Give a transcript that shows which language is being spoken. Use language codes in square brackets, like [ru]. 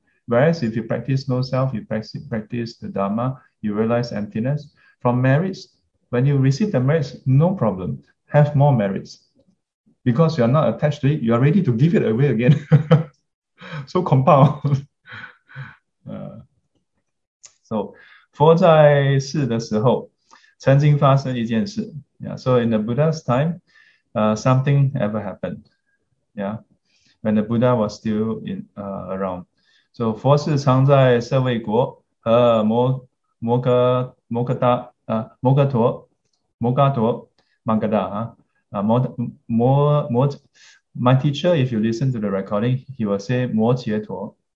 [en] Whereas if you practice no self, you practice the Dharma, you realize emptiness. From merits, when you receive the merits, no problem. Have more merits. Because you are not attached to it, you are ready to give it away again. So compound. So [zh] 佛在世的时候曾经发生一件事. [en] Yeah, so in the Buddha's time, something ever happened. Yeah, when the Buddha was still in around. So [zh] 佛是常在舍卫国和摩诃陀曼嘎达摩摩摩 [en] My teacher, if you listen to the recording, he will say 摩揭陀.